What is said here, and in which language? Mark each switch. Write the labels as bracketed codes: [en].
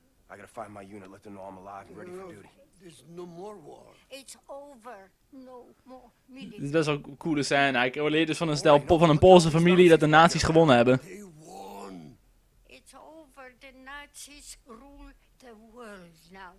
[en] I gotta find my unit, let them know I'm alive and ready for duty. There's no more war. It's over. No more. [nl] Dit is best wel een coole scène. Ik leer dus van een stel van een Poolse familie dat de nazi's gewonnen hebben. [en] They won. It's over. The nazi's rule the world now.